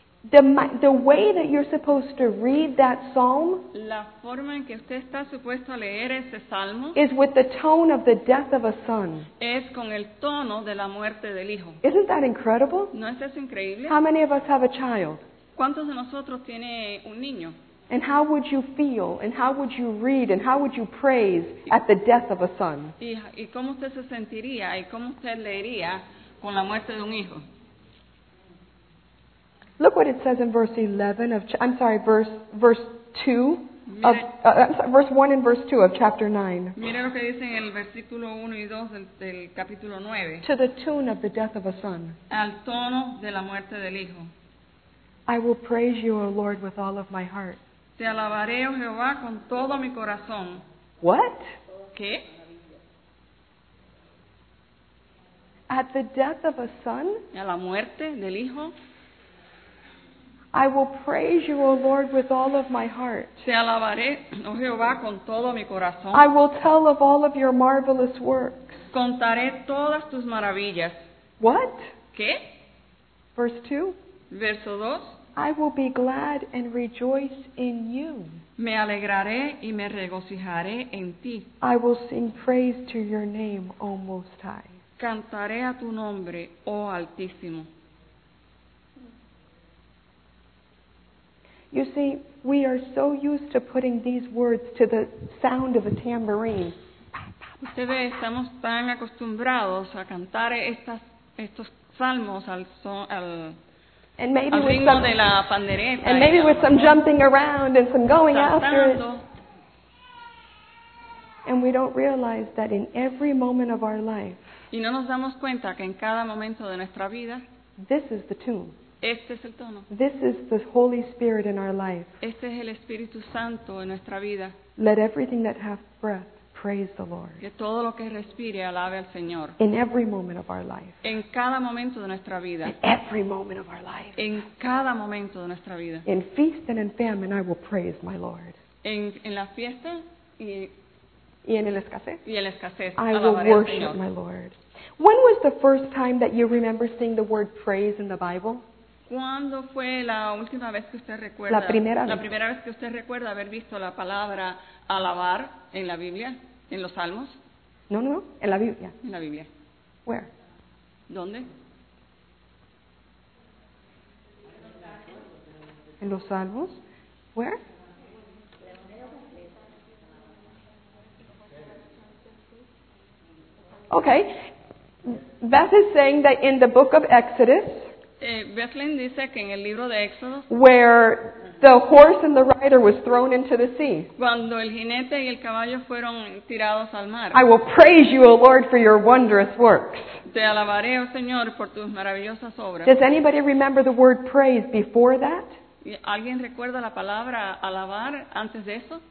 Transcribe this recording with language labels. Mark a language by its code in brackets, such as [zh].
[en] The way that you're supposed to read that psalm, [es] la forma en que usted está supuesto a leer ese salmo, [en] is with the tone of the death of a son. [es] Es con el tono de la muerte del hijo. [en] Isn't that incredible? [es] ¿No es eso increíble? [en] How many of us have a child? [es] ¿Cuántos de nosotros tiene un niño? [en] And how would you feel, and how would you read, and how would you praise at the death of a son? [es] ¿Y cómo usted se sentiría, y cómo usted leería con la muerte de un hijo? [en] Look what it says in verse 1 and verse 2 of chapter 9. [es] Mira lo que dice en el versículo 1 y 2 del capítulo 9. [en] To the tune of the death of a son. [es] Al tono de la muerte del hijo. [en] I will praise you, O Lord, with all of my heart. [es] Te alabaré, oh Jehová, con todo mi corazón. [en] What? [es] ¿Qué? [en] At the death of a son, [es] a la muerte del hijo, [en] I will praise you, O Lord, with all of my heart. [es] Te alabaré, oh Jehová, con todo mi corazón. [en] I will tell of all of your marvelous works. [es] Contaré todas tus maravillas. [en] What? [es] ¿Qué? [en] Verse 2. [es] Verso 2. [en] I will be glad and rejoice in you. [es] Me alegraré y me regocijaré en ti. [en] I will sing praise to your name, O Most High. [es] Cantaré a tu nombre, oh Altísimo. [en] You see, we are so used to putting these words to the sound of a tambourine. [es] Ustedes estamos tan acostumbrados a cantar estos salmos al son al [en] and maybe [es] al ritmo de la pandereta. [en] And maybe with some jumping around and some going after it. And we don't realize that in every moment of our life. [es] Y no nos damos cuenta que en cada momento de nuestra vida. [en] This is the tune. [es] Este es el tono. [en] This is the Holy Spirit in our life. [es] Este es el Espíritu Santo en nuestra vida. [en] Let everything that hath breath praise the Lord. [es] Que todo lo que respire alabe al Señor. [en] In every moment of our life. [es] En cada momento de nuestra vida. [en] In every moment of our life. [es] En cada momento de nuestra vida. [en] In feast and in famine I will praise my Lord. [es] En la fiesta y en el escasez. Y el escasez. [en] I will worship my Lord. When was the first time that you remember seeing the word praise in the Bible? [es] ¿Cuándo fue la última vez que usted recuerda? La primera vez que usted recuerda haber visto la palabra alabar en la Biblia, en los Salmos. No, en la Biblia. En la Biblia. [en] Where? [es] ¿Dónde? En los Salmos. [en] Where? Okay. Beth is saying that in the book of Exodus. [es] Bethlehem dice que en el libro de Éxodo, [en] where the horse and the rider was thrown into the sea. [es] Cuando el jinete y el caballo fueron tirados al mar. [en] I will praise you, O Lord, for your wondrous works. [es] Te alabaré, oh Señor, por tus maravillosas obras. [en] Does anybody remember the word praise before that? [es] ¿Alguien recuerda la palabra alabar antes de eso?